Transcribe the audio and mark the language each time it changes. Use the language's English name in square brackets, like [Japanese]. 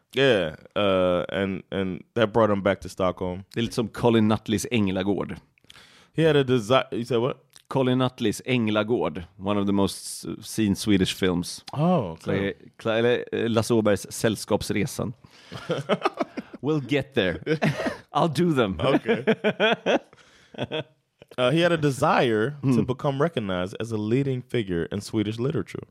[English] Yeah, and that brought him back to Stockholm. [Swedish] Det är lite som Colin Nutleys Änglagård. [English] He had a desire. You said what? Colin Nutleys Änglagård, one of the most seen Swedish films. Oh, okay. Eller Lasse Åbergs Sällskapsresan. We'll get there. I'll do them. Okay. He had a desire to become recognized as a leading figure in Swedish literature.